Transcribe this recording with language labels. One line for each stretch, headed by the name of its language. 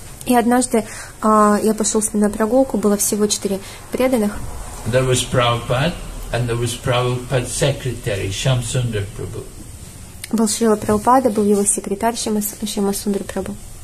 Russian: И однажды я пошел с ним на прогулку, было всего 4 преданных.
English: There was Prabhupada, and there was Prabhupada's secretary, Shamsundar Prabhu.
Russian: Был Шрила Прабхупада, был его секретарь Шамасундар Прабху.